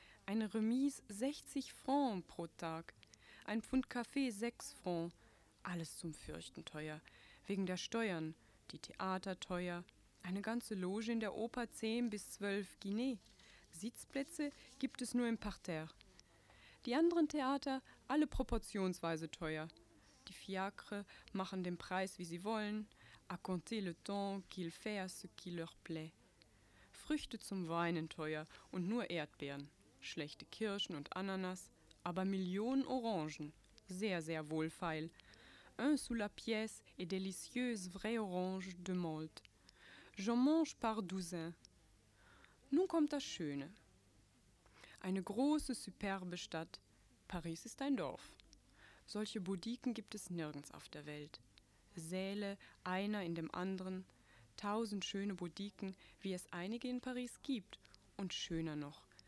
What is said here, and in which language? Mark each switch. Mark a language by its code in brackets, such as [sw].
[de] Eine Remise 60 Francs pro Tag, ein Pfund Kaffee 6 Francs, alles zum Fürchten teuer. Wegen der Steuern, die Theater teuer, eine ganze Loge in der Oper 10 bis 12 Guinée. Sitzplätze gibt es nur im Parterre. Die anderen Theater, alle proportionsweise teuer. Die Fiacre machen den Preis, wie sie wollen, [fr] à compter le temps qu'il fait ce qui leur plaît. [de] Früchte zum Weinen teuer und nur Erdbeeren. Schlechte Kirschen und Ananas, aber Millionen Orangen. Sehr, sehr wohlfeil. [fr] Un sous la pièce et délicieuse vraie orange de Malte. J'en mange par douzain. [de] Nun kommt das Schöne. Eine große, superbe Stadt. Paris ist ein Dorf. Solche Boutiquen gibt es nirgends auf der Welt. Säle, einer in dem anderen. 1000 schöne Boutiquen, wie es einige in Paris gibt. Und schöner noch.